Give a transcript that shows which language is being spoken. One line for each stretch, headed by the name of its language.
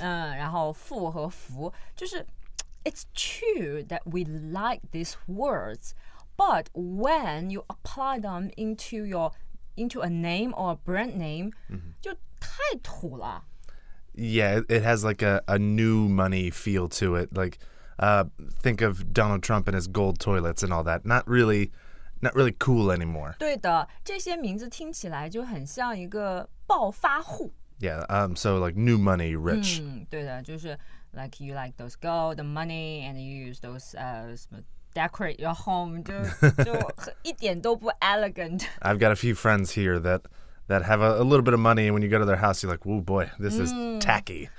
Chinese: 然后富和福,就是
English: it's true that we like these words, but when you apply them into a name or a brand name, mm-hmm.
Chinese: 就太土了。
English: Yeah, it has like a new money feel to it. Like, think of Donald Trump and his gold toilets and all that. Not really cool anymore.
Chinese: 对的，这些名字听起来就很像一个暴发户。
English: Yeah, so like new money, rich.
Chinese: 对的，就是
English: like you like those gold money and you use those decorate your home,
Chinese: 就一点都不
English: elegant. I've got a few friends here that have a little bit of money, and when you go to their house, you're like, oh boy, this is tacky.